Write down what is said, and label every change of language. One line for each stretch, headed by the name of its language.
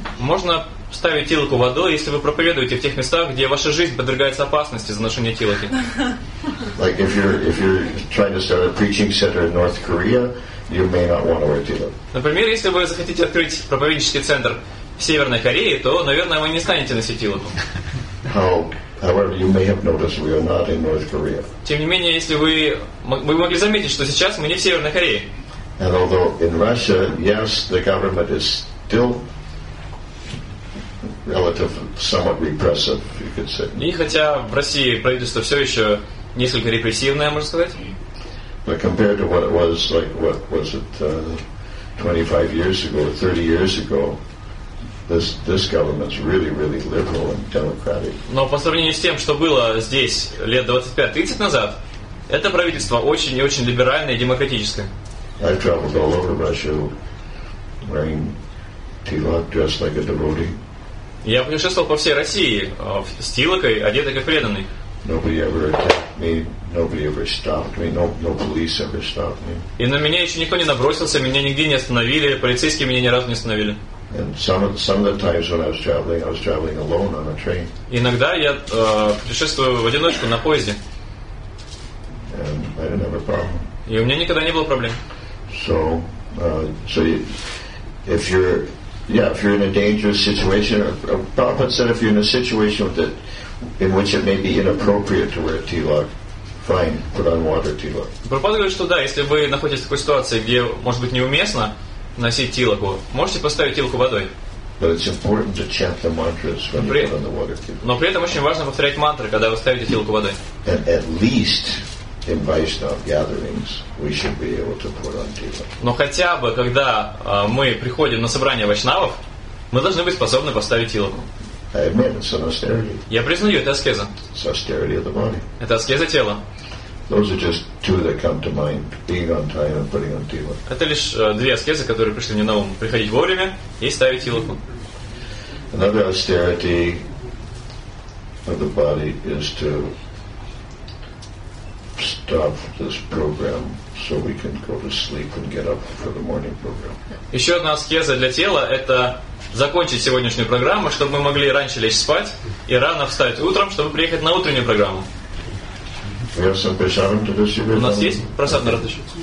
Russian: Можно ставить тилаку водой, если вы проповедуете в тех местах, где ваша жизнь подвергается опасности за ношение тилаки.
English: Like if you're trying to start a preaching center in North Korea, you may not want to wear tilak.
Russian: Например, если вы захотите открыть проповеднический центр в Северной Корее, то, наверное, вы не станете носить тилаку.
English: However, you may have noticed we are not in North Korea.
Russian: Тем не менее, если вы могли заметить, что сейчас мы не в Северной Корее.
English: And although in Russia, yes, the government is still relative, somewhat repressive, you could say.
Russian: И хотя в России правительство все еще несколько репрессивное, можно сказать.
English: But compared to what it was like, what was it, 25 years ago, 30 years ago? This government's really, really liberal and democratic.
Russian: Но по сравнению с тем, что было здесь лет 25-30 назад, это правительство очень и очень либеральное и демократическое.
English: I've traveled all over Russia wearing tilak, dressed like a devotee.
Russian: Я путешествовал по всей России с тилакой, одетый как преданный.
English: Nobody ever attacked me. Nobody ever stopped me. No police ever stopped me.
Russian: И на меня еще никто не набросился, меня нигде не остановили, полицейские меня ни разу не остановили.
English: And some of the times when I was traveling alone on a train.
Russian: Иногда я путешествую в одиночку на поезде.
English: And I didn't have a problem.
Russian: И у меня никогда не было проблем.
English: So if you're in a dangerous situation, Prabhupada said if you're in a situation in which it may be inappropriate to wear tilak, fine, put on water tilak.
Russian: Прабхупада говорит, что да, если вы находитесь в такой ситуации, где может быть неуместно носить тилаку. Можете поставить тилаку водой.
English: But it's important to chant the mantras when you put on the water tilak.
Russian: Но при этом очень важно повторять мантры, когда вы ставите тилаку водой.
English: And at least in Vaishnava gatherings we should be able to put on tilak.
Russian: Но хотя бы когда мы приходим на собрание вайшнавов, мы должны быть способны поставить тилаку.
English: I admit it's an austerity.
Russian: Я признаю, это аскеза.
English: It's austerity of the body.
Russian: Это аскеза тела.
English: Those are just two that come to mind: being on time and putting on tilak.
Russian: Это лишь две аскезы, которые пришли мне на ум: приходить вовремя и ставить тилаку.
English: Another austerity of the body is to stop this program so we can go to sleep and get up for the morning program.
Russian: Еще одна аскеза для тела – это закончить сегодняшнюю программу, чтобы мы могли раньше лечь спать и рано встать утром, чтобы приехать на утреннюю программу.
English: We have some prasadam to distribute.
Russian: У нас есть прасад на раздачу.